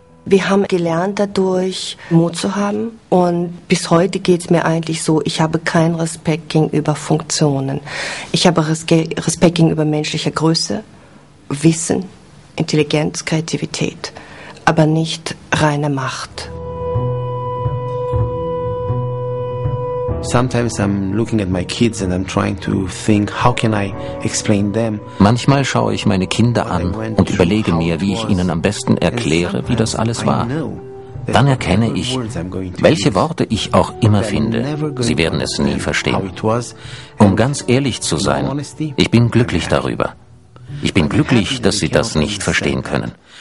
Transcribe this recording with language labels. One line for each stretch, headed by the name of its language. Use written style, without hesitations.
German: Wir haben gelernt dadurch, Mut zu haben. Und bis heute geht es mir eigentlich so, ich habe keinen Respekt gegenüber Funktionen. Ich habe Respekt gegenüber menschlicher Größe, Wissen, Intelligenz, Kreativität, aber nicht reine Macht.
English: Sometimes I'm looking at my kids and I'm trying to think, how can I explain them?
German: Manchmal schaue ich meine Kinder an und überlege mir, wie ich ihnen am besten erkläre, wie das alles war. Dann erkenne ich, welche Worte ich auch immer finde, sie werden es nie verstehen. Um ganz ehrlich zu sein, ich bin glücklich darüber. Ich bin glücklich, dass sie das nicht verstehen können.